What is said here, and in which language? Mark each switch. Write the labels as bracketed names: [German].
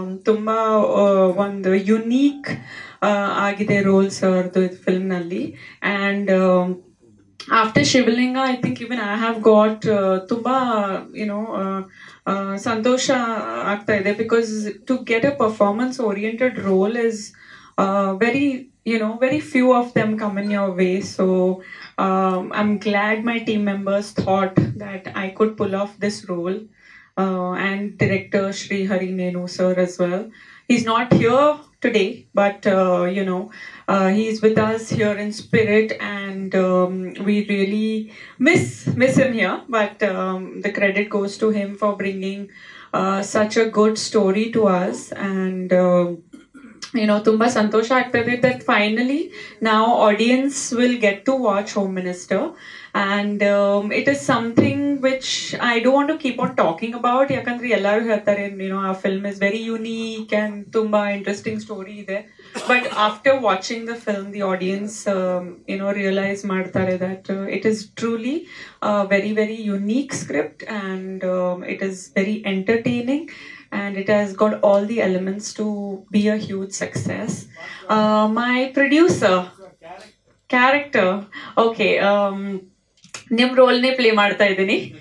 [Kannada] ತುಂಬ ಒಂದು ಯುನೀಕ್ ಆಗಿದೆ ರೋಲ್ ಸರ್ದು ಫಿಲ್ಮ್ನಲ್ಲಿ. [English] and after Shivalinga I think even I have got [Kannada] ತುಂಬಾ ಯುನೋ ಸಂತೋಷ ಆಗ್ತಾ ಇದೆ, [English] Because to get a performance oriented role is very you know, very few of them come in your way. So I'm glad my team members thought that I could pull off this role. And director Shri Hari Nenu sir as well. He's not here today, but you know, he's with us here in spirit, and we really miss him here. But the credit goes to him for bringing such a good story to us. And you know, [Kannada] tumba santosha aagtade [English] that finally now audience will get to watch Home Minister. And it is something which I don't want to keep on talking about. [Kannada] Yakandre ellaru heltare, [English] you know, our film is very unique and [Kannada] tumba [English] interesting story [Kannada] ide. [English] But after watching the film, the audience you know, realize [Kannada] martare [English] that it is truly a very very unique script, and it is very entertaining, and it has got all the elements to be a huge success. My producer character, okay, [Kannada] ನಿಮ್ roll ನೇ play ಮಾಡ್ತಾ ಇದ್ದೀನಿ.